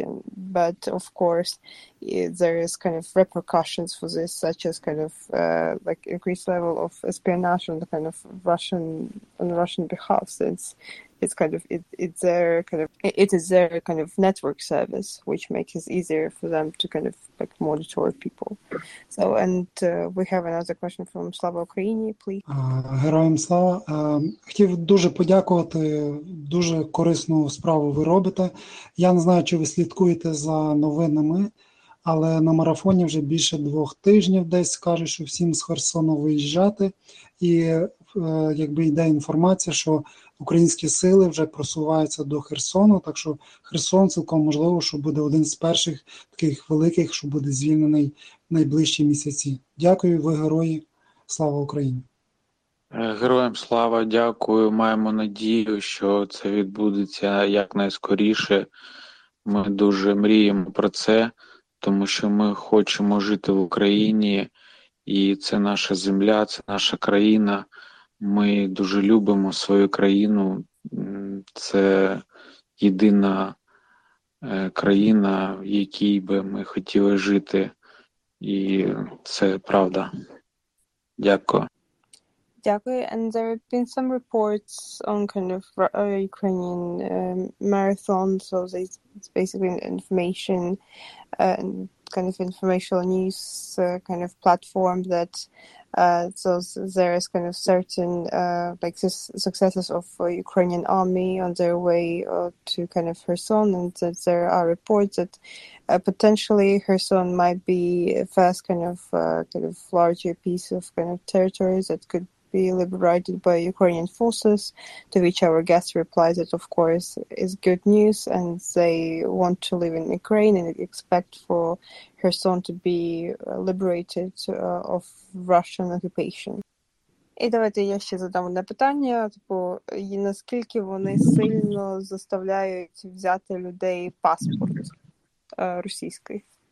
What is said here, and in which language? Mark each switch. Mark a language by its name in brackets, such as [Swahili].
[English] And, but of course, there is kind of repercussions for this, such as kind of increased level of espionage on the kind of Russian behalf, since it is their kind of network service, which makes it easier for them to kind of like monitor people. So, and we have another question from Slava Ukraini, please. [Ukrainian] Героям слава. Хотів дуже подякувати, дуже корисну справу ви робите. Я не знаю, чи ви слідкуєте за новинами, але на марафоні вже більше 2 тижнів десь кажуть, що всім з Херсону виїжджати. І якби йде інформація, що українські сили вже просуваються до Херсону, так що Херсон цілком можливо, що буде один з перших таких великих, що буде звільнений в найближчі місяці. Дякую, ви герої, слава Україні! Героям слава, дякую, маємо надію, що це відбудеться якнайскоріше. Ми дуже мріємо про це, тому що ми хочемо жити в Україні, і це наша земля, це наша країна. Ми дуже любимо свою країну, це єдина країна, в якій би ми хотіли жити, і це правда. Дякую. Дякую. [English] And there have been some reports on kind of Ukrainian marathon, so it's basically information and kind of informational news kind of platform that so there is kind of certain successes of Ukrainian army on their way to kind of Kherson, and that there are reports that potentially Kherson might be first kind of large piece of kind of territory that could be liberated by Ukrainian forces, to which our guest replies that, of course, is good news, and they want to live in Ukraine and expect for Kherson to be liberated of Russian occupation. [Ukrainian] І давайте я ще задам одне питання, типу, і наскільки вони сильно заставляють взяти людей паспорт російський?